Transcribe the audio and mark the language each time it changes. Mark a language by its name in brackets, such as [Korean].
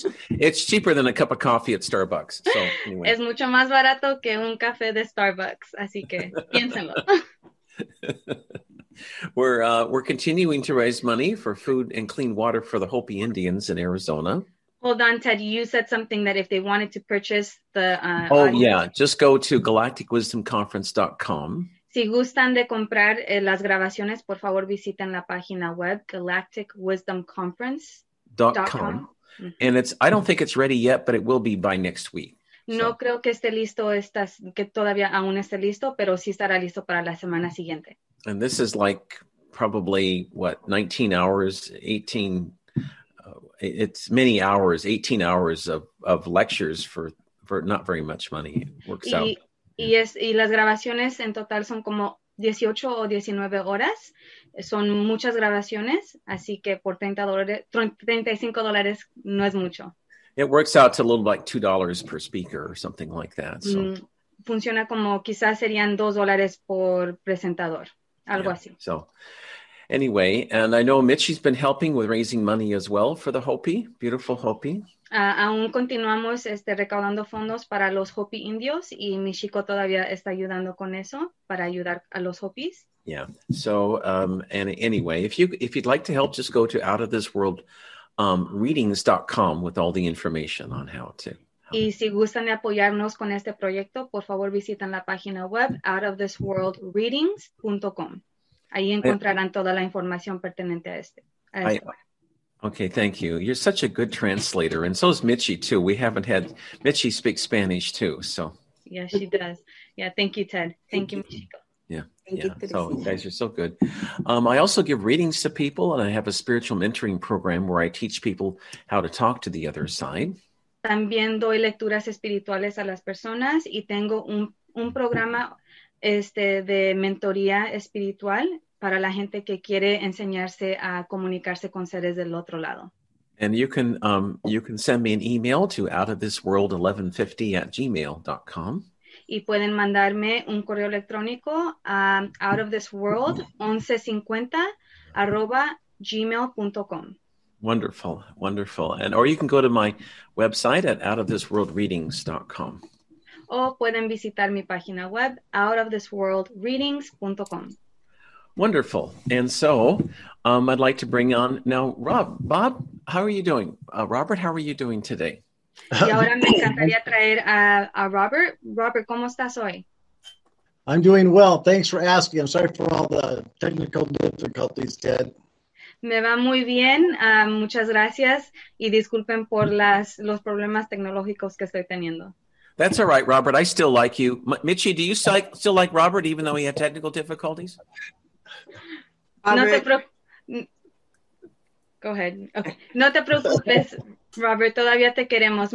[English] It's cheaper than a cup of coffee at Starbucks. So anyway. [Spanish] Es mucho más barato que un café de Starbucks, así que piénsenlo. [English] We're continuing to raise money for food and clean water for the Hopi Indians in Arizona. Hold on, Ted, you said something that if they wanted to purchase the... just go to galacticwisdomconference.com. [Spanish] Si gustan de comprar las grabaciones, por favor visiten la página web, galacticwisdomconference.com. [English] And I don't think it's ready yet, but it will be by next week. [Spanish] No creo que esté listo, que todavía aún esté listo, pero sí estará listo para la semana siguiente. [English] And this is like probably, 19 hours, 18... It's many hours, 18 hours of lectures for not very much money. It works out. [Spanish] Y las grabaciones en total son como 18 o 19 horas. Son muchas grabaciones, así que por $35 no es mucho. [English] It works out to a little like $2 per speaker or something like that. So. [Spanish] Funciona como quizás serían $2 por presentador, algo así. [English] So. Anyway, and I know Mitchie's been helping with raising money as well for the Hopi, beautiful Hopi. [Spanish] Aún continuamos recaudando fondos para los Hopi indios y mi chico todavía está ayudando con eso para ayudar a los Hopis. [English] Yeah, so, anyway, if you'd like to help, just go to outofthisworldreadings.com with all the information on how to. [Spanish] Y si gustan de apoyarnos con este proyecto, por favor visiten la página web outofthisworldreadings.com. Ahí encontrarán toda la información pertinente a este. [English] Okay, thank you. You're such a good translator. And so is Mitchie, too. We haven't had... Mitchie speaks Spanish, too, so... Yeah, she does. Yeah, thank you, Ted. Thank you, Michiko. Thank you. So, you guys are so good. I also give readings to people, and I have a spiritual mentoring program where I teach people how to talk to the other side. [Spanish] También doy lecturas espirituales a las personas, y tengo un programa... de mentoría espiritual para la gente que quiere enseñarse a comunicarse con seres del otro lado. [English] And you can send me an email to outofthisworld1150@gmail.com. [Spanish] Y pueden mandarme un correo electrónico a outofthisworld1150@gmail.com. [English] Wonderful, wonderful. And or you can go to my website at outofthisworldreadings.com. [Spanish] O pueden visitar mi página web, outofthisworldreadings.com. [English] Wonderful. And so, I'd like to bring on, now, Bob, how are you doing? Robert, how are you doing today? [Spanish] Y ahora me encantaría traer a Robert. Robert, ¿cómo estás hoy? [English] I'm doing well. Thanks for asking. I'm sorry for all the technical difficulties, Ted. [Spanish] Me va muy bien. Muchas gracias. Y disculpen por los problemas tecnológicos que estoy teniendo. [English] That's all right, Robert. I still like you. Mitchie, do you still like Robert, even though he had technical difficulties? Go ahead. Okay. [Spanish] No te preocupes, Robert. Todavía te queremos.